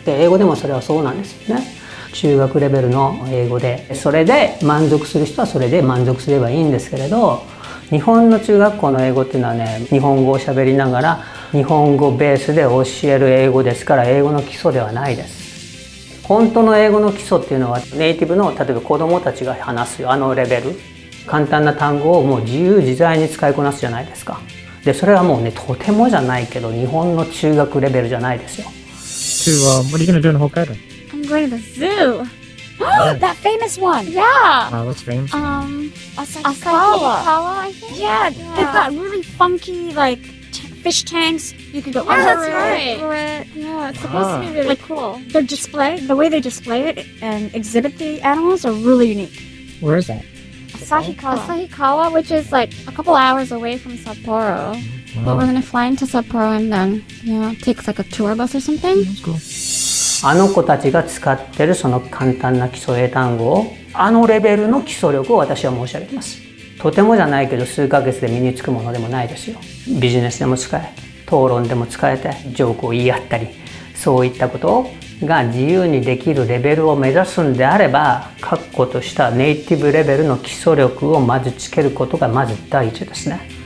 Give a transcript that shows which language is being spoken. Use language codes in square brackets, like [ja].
[ja] で、英語でもそれはそうなんですよね。中学レベルの英語で、それで満足する人はそれで満足すればいいんですけれど、日本の中学校の英語っていうのはね、日本語を喋りながら日本語ベースで教える英語ですから、英語の基礎ではないです。本当の英語の基礎っていうのはネイティブの、例えば子供たちが話すあのレベル、簡単な単語をもう自由自在に使いこなすじゃないですか。で、それはもうね、とてもじゃないけど日本の中学レベルじゃないですよ。 [en] To, what are you going to do in Hokkaido? I'm going to the zoo. That famous one. Yeah. What's famous? Asakawa. Yeah, they've got really funky like fish tanks. You can go over it. Yeah, it's supposed to be really cool. Their display, the way they display it and exhibit the animals are really unique. Where is that? Asahikawa, which is like a couple hours away from Sapporo. Wow. But we're gonna fly into Sapporo and then, you know, take like a tour bus or something. That's cool. [ja] あの子たちが使ってるその簡単な基礎英単語を、あのレベルの基礎力を私は申し上げます。とてもじゃないけど数ヶ月で身につくものでもないですよ。ビジネスでも使え、討論でも使えて、ジョークを言い合ったり、そういったことをが自由にできるレベルを目指すんであれば、確固としたネイティブレベルの基礎力をまずつけることがまず第一ですね。